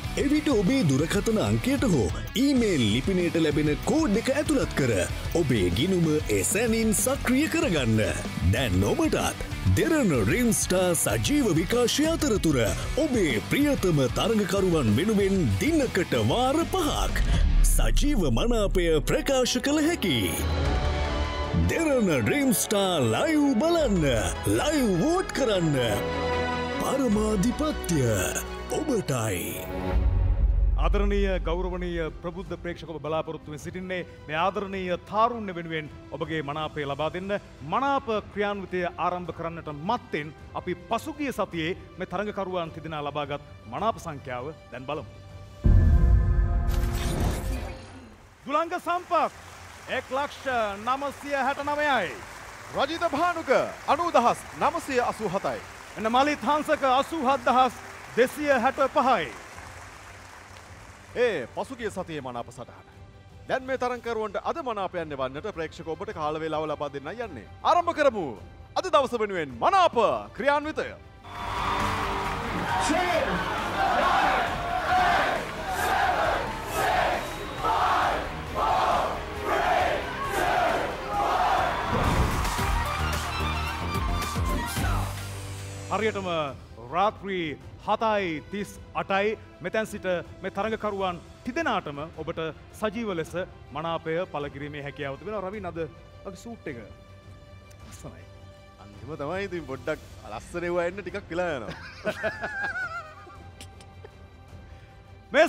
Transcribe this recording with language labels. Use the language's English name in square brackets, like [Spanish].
[Sinhala] එවිට ඔබේ දුරකථන අංකයට හෝ email ලිපිනයට ලැබෙන code එක ඇතුළත් කර ඔබේ ගිණුම එසැනින් සක්‍රිය කරගන්න. දැන් ඔබටත් Derana Dream Star සජීව විකාශය අතරතුර ඔබේ ප්‍රියතම තරඟකරුවන් වෙනුවෙන් දිනකට වාර 5ක් සජීව මනාපය ප්‍රකාශ කළ හැකි. [English] Derana Dream Star live [Sinhala] බලන්න, [English] live vote [Sinhala] කරන්න. පරමාධිපත්‍ය ඔබටයි. ආදරණීය ගෞරවනීය ප්‍රබුද්ධ ප්‍රේක්ෂක ඔබ බලාපොරොත්තු වෙමින් සිටින්නේ මේ ආදරණීය තාරුණ්‍ය වෙනුවෙන් ඔබගේ මනාපය ලබා දෙන්න මනාප ක්‍රියාන්විතය ආරම්භ කරන්නට මත්තෙන් අපි පසුගිය සතියේ මේ තරඟකරුවන් තිදෙනා ලබාගත් මනාප සංඛ්‍යාව දැන් බලමු. දුලංග සම්පත් 1,969යි රජිත භානුක 90,987යි එන මලිත් හංසක 87,265යි ඒ පසුගිය සතියේ මනාප සටහන දැන් මේ තරඟකරුවන්ට අද මනාපයන් එවන්නට ප්‍රේක්ෂක ඔබට කාල වේලාව ලබා දෙන්න යන්නේ ආරම්භ කරමු අද දවස වෙනුවෙන් මනාප ක්‍රියාන්විතය [English] Six, five, four, three, two, one. [Sinhala] හරියටම රාත්‍රී 7:38 මෙතැන් සිට මේ තරඟකරුවන් තිදෙනාටම ඔබට සජීව ලෙස මනාපය පළකිරීමේ හැකියාව තිබෙනවා. රවින් අද අපි සූට් එක අස්සමයි. අන්තිම තමයි ඉතින් පොඩ්ඩක් ලස්සන ඒවා එන්න ටිකක් වෙලා යනවා.